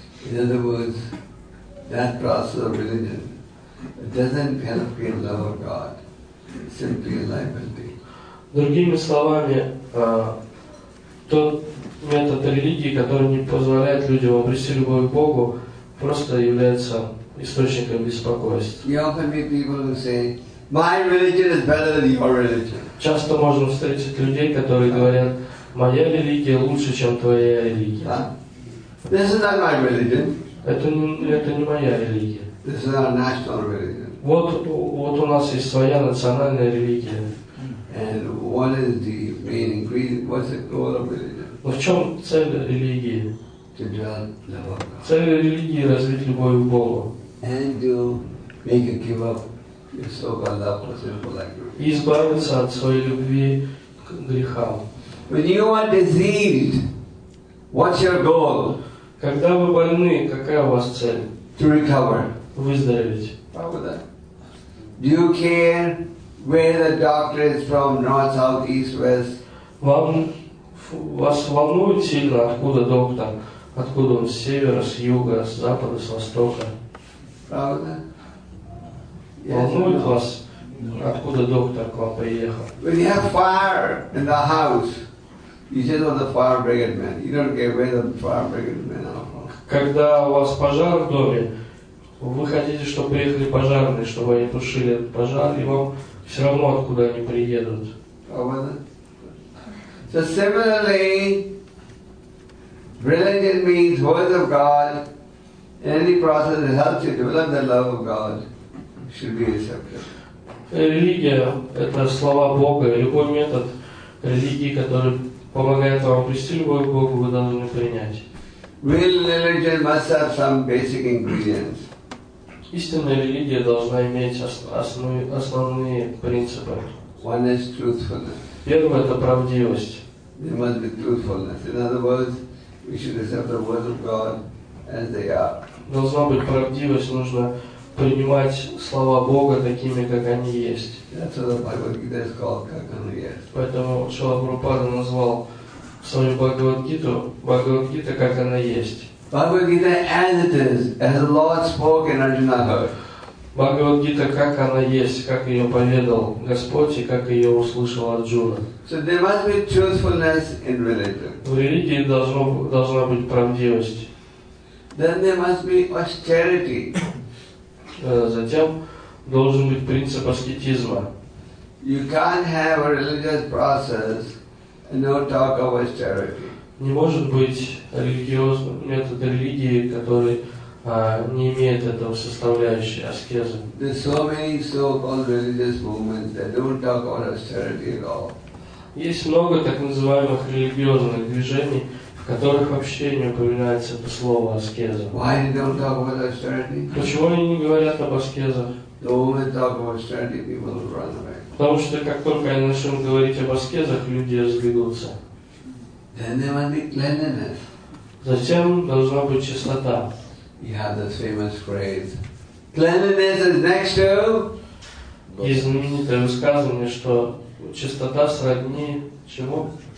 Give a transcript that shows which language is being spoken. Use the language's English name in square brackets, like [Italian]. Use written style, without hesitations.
[English] In other words, that process of religion doesn't kind of feel love of God, simply liability. [Russian] Другими словами, тот метод религии, который не позволяет людям обрести любовь к Богу, просто является источником беспокойства. [English] You often meet people who say, my religion is better than your religion. [Russian] Часто можно встретить людей, которые говорят, моя религия лучше, чем твоя религия. [English] This is not my religion. [Russian] Это не моя религия. [English] This is our national religion. [Russian] Вот у нас есть своя национальная религия. [English] And what is the main ingredient? What's the goal of religion? [Russian] Но в чем цель религии? [English] To develop love of God. [Russian] Цель религии – развить любовь к Богу. [English] And to make you give up your so-called love for sinful activity. [Russian] И избавиться от своей любви к грехам. [English] When you are diseased, what's your goal? [Russian] Когда вы больны, какая у вас цель? [English] To recover. [Russian] Выздороветь. [English] Do you care where the doctor is from, north, south, east, west? [Russian] Вас волнует сильно, откуда доктор, откуда он, с севера, с юга, с запада, с востока? Правда? Волнует вас, откуда доктор к вам приехал? [English] When you have fire in the house, you just want the fire brigade man. You don't care where the fire brigade man are from. [Russian] Когда у вас пожар в доме, вы хотите, чтобы приехали пожарные, чтобы они тушили этот пожар, и вам все равно, откуда они приедут. [English] So similarly, religion means word of God, any process that helps you develop the love of God should be accepted. [Russian] Религия – это слова Бога. Любой метод религии, который помогает вам обрести любовь к Богу, вы должны принять. [English] Real religion must have some basic ingredients. [Russian] Истинная религия должна иметь основные принципы. [English] One is truthfulness. [Russian] Первое – это правдивость. [English] There must be truthfulness. In other words, we should accept the words of God as they are. [Russian] Должна быть правдивость, нужно принимать слова Бога такими, как они есть. [English] That's what the Bhagavad Gita is called, [Russian] как оно есть. Поэтому Шрила Прабхупада назвал свою Бхагавад-гиту, как она есть. [English] Bhagavad Gita as it is, as the Lord spoke and Arjuna heard. [Russian] Bhagavad Gita как она есть, как ее поведал Господь и как ее услышал Арджуна. [English] So there must be truthfulness in religion. [Russian] В религии должна быть правдивость. [English] Then there must be austerity. [Russian] Затем должен быть принцип аскетизма. [English] You can't have a religious process and no talk of austerity. [Russian] Не может быть религиозный метод религии, который не имеет этого составляющей аскезы. [English] There's so many so-called religious movements that don't talk about austerity at all. [Russian] Есть много так называемых религиозных движений, в которых вообще не упоминается это слово аскеза. [English] Why they don't talk about austerity? [Russian] Почему они не говорят об аскезах? [English] Don't talk about austerity, people will run away. [Russian] Потому что как только они начнут говорить об аскезах, люди разбегутся. [English] Then there must be cleanliness. [Russian] Затем должна быть чистота. [English] You have this famous phrase. Cleanliness is next to. [Russian] И знаменитое высказывание, что чистота сродни чему?